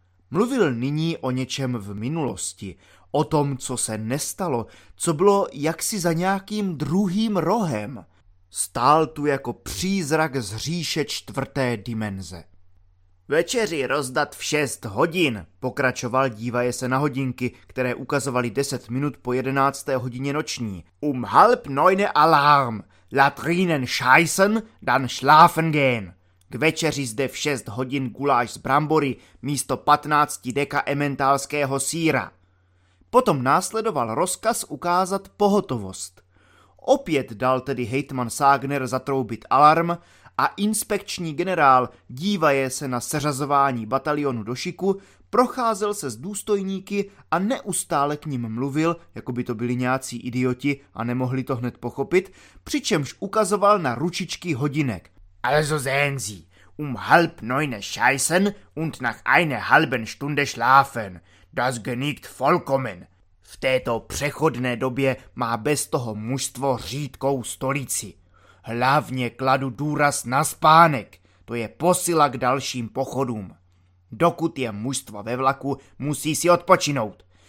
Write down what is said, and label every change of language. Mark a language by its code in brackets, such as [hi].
[cs] Mluvil nyní o něčem v minulosti, o tom, co se nestalo, co bylo jaksi za nějakým druhým rohem. Stál tu jako přízrak z říše 4. dimenze. Večeři rozdat v 6 hodin, pokračoval dívaje se na hodinky, které ukazovaly 10 minut po 11. hodině noční. [de] Halb neune Alarm, latrinen scheißen, dann schlafen gehen. [cs] K večeři zde v 6 hodin guláš z brambory místo 15 deka ementálského síra. Potom následoval rozkaz ukázat pohotovost. Opět dal tedy hejtman Ságner zatroubit alarm a inspekční generál, dívaje se na seřazování batalionu do šiku, procházel se s důstojníky a neustále k ním mluvil, jako by to byli nějací idioti a nemohli to hned pochopit, přičemž ukazoval na ručičky hodinek. [de] Also sehen Sie, halb neune scheißen und nach einer halben Stunde schlafen. Das genügt vollkommen. [cs] V této přechodné době má bez toho mužstvo řídkou stolici. Hlavně kladu důraz na spánek, to je posila k dalším pochodům. Dokud je mužstvo ve vlaku, musí si odpočinout.